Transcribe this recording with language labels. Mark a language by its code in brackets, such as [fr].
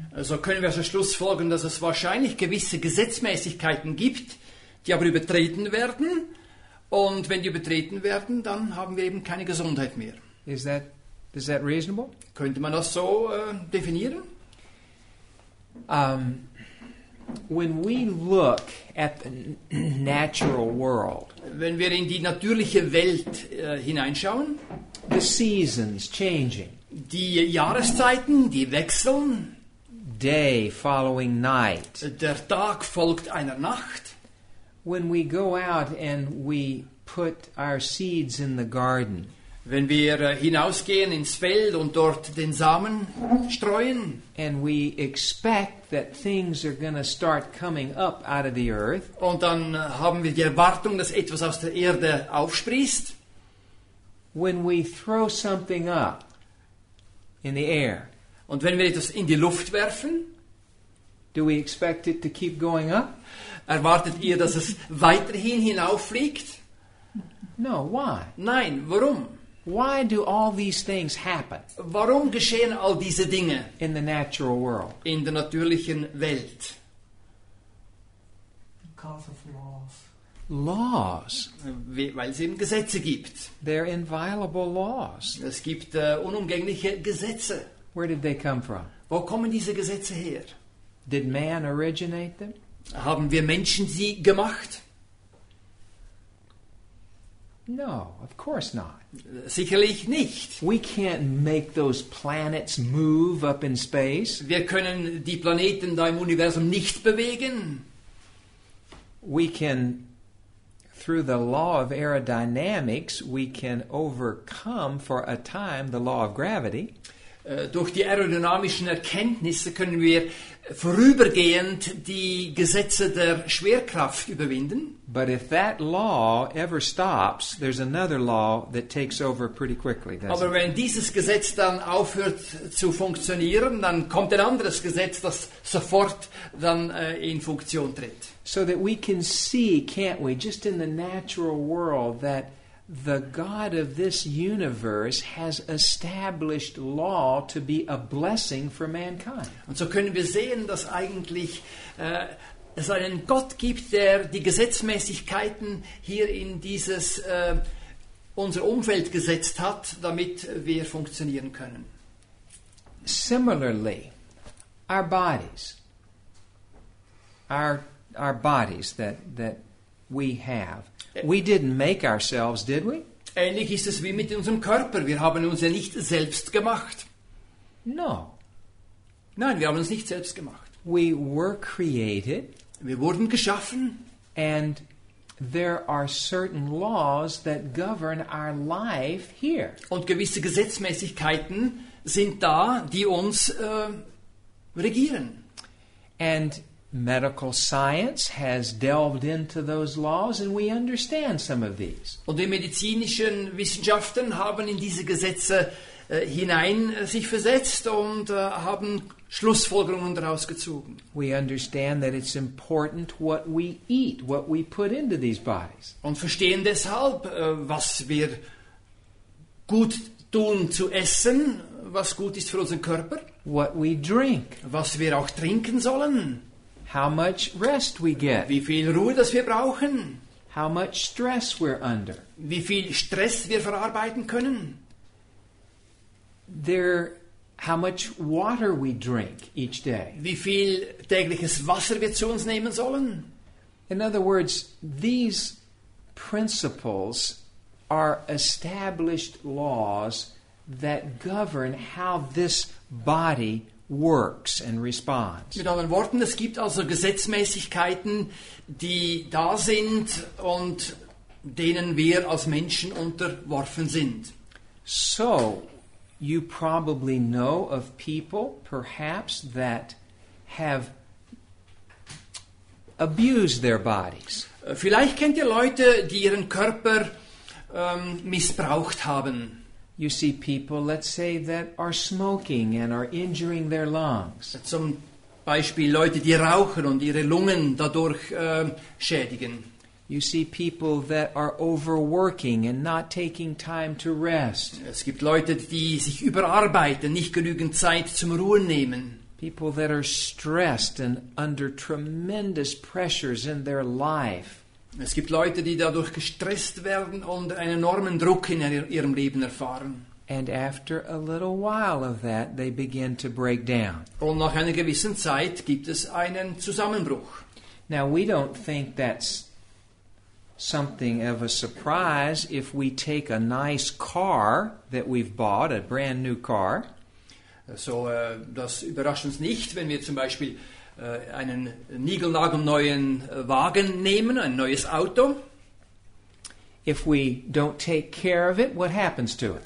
[de] Also können wir zum Schluss folgen, dass es wahrscheinlich gewisse Gesetzmäßigkeiten gibt, die aber übertreten werden. Und wenn die übertreten werden, dann haben wir eben keine Gesundheit mehr. [en] Is that reasonable? [de] Könnte man das so definieren? [en] When we look at the natural world, [de] wenn wir in die natürliche Welt hineinschauen, [en] the seasons changing, [de] die Jahreszeiten, die wechseln, [en] day following night, [de] der Tag folgt einer Nacht, [en] when we go out and we put our seeds in the garden, [de] wenn wir hinausgehen ins Feld und dort den Samen streuen, [en] and we expect that things are going to start coming up out of the earth, [de] und dann haben wir die Erwartung, dass etwas aus der Erde aufsprießt. [en] When we throw something up in the air, [de] und wenn wir etwas in die Luft werfen, [en] do we expect it to keep going up? [de] Erwartet ihr, dass es weiterhin hinauffliegt? [en] No, why? [de] Nein, warum? [en] Why do all these things happen? [de] Warum geschehen all diese Dinge? [en] In the natural world. [de] In der natürlichen Welt. [en] Because of laws. Laws. [de] Weil es eben Gesetze gibt. [en] They're inviolable laws. [de] Es gibt unumgängliche Gesetze. [en] Where did they come from? [de] Wo kommen diese Gesetze her? [en] Did man originate them? [de] Haben wir Menschen sie gemacht? [en] No, of course not. [de] Sicherlich nicht. [en] We can't make those planets move up in space. [de] Wir können die Planeten da im Universum nicht bewegen. [en] We can, through the law of aerodynamics, we can overcome for a time the law of gravity. [de] Durch die aerodynamischen Erkenntnisse können wir vorübergehend die Gesetze der Schwerkraft überwinden. [en] But if that law ever stops, there's another law that takes over pretty quickly. [de] Aber wenn dieses Gesetz dann aufhört zu funktionieren, dann kommt ein anderes Gesetz, das sofort dann in Funktion tritt. [en] So that we can see, can't we, just in the natural world, that the God of this universe has established law to be a blessing for mankind. [de] Und so können wir sehen, dass eigentlich es einen Gott gibt, der die Gesetzmäßigkeiten hier in dieses unser Umfeld gesetzt hat, damit wir funktionieren können. [en] Similarly, our bodies that we have. We didn't make ourselves, did we? [de] Ähnlich ist es wie mit unserem Körper. Wir haben uns ja nicht selbst gemacht. [en] No. [de] Nein, wir haben uns nicht selbst gemacht. [en] We were created. [de] Wir wurden geschaffen. [en] And there are certain laws that govern our life here. [de] Und gewisse Gesetzmäßigkeiten sind da, die uns regieren. [en] And medical science has delved into those laws and we understand some of these. [de] Und die medizinischen Wissenschaften haben in diese Gesetze hinein sich versetzt und haben Schlussfolgerungen daraus gezogen. [en] We understand that it's important what we eat, what we put into these bodies. [de] Und verstehen deshalb, was wir gut tun zu essen, was gut ist für unseren Körper. [en] What we drink. [de] Was wir auch trinken sollen. [en] How much rest we get. [de] Wie viel Ruhe, das wir brauchen. [en] How much stress we're under. [de] Wie viel Stress wir verarbeiten können. [en] There, how much water we drink each day. [de] Wie viel tägliches Wasser wir zu uns nehmen sollen. [en] In other words, these principles are established laws that govern how this body works and responds. [de] Mit anderen Worten, es gibt also Gesetzmäßigkeiten, die da sind und denen wir als Menschen unterworfen sind. [en] So, you probably know of people, perhaps, that have abused their bodies. [de] Vielleicht kennt ihr Leute, die ihren Körper missbraucht haben. [en] You see people, let's say, that are smoking and are injuring their lungs. [de] Zum Beispiel Leute, die rauchen und ihre Lungen dadurch schädigen. [en] You see people that are overworking and not taking time to rest. [de] Es gibt Leute, die sich überarbeiten, nicht genügend Zeit zum Ruhen nehmen. [en] People that are stressed and under tremendous pressures in their life. [de] Es gibt Leute, die dadurch gestresst werden und einen enormen Druck in ihrem Leben erfahren. [en] And after a little while of that, they begin to break down. [de] Und nach einer gewissen Zeit gibt es einen Zusammenbruch. [en] Now we don't think that's something of a surprise if we take a nice car that we've bought, a brand new car. [de] So, das überrascht uns nicht, wenn wir zum Beispiel einen niegelnagelneuen Wagen nehmen, ein neues Auto. [en] If we don't take care of it, what happens to it?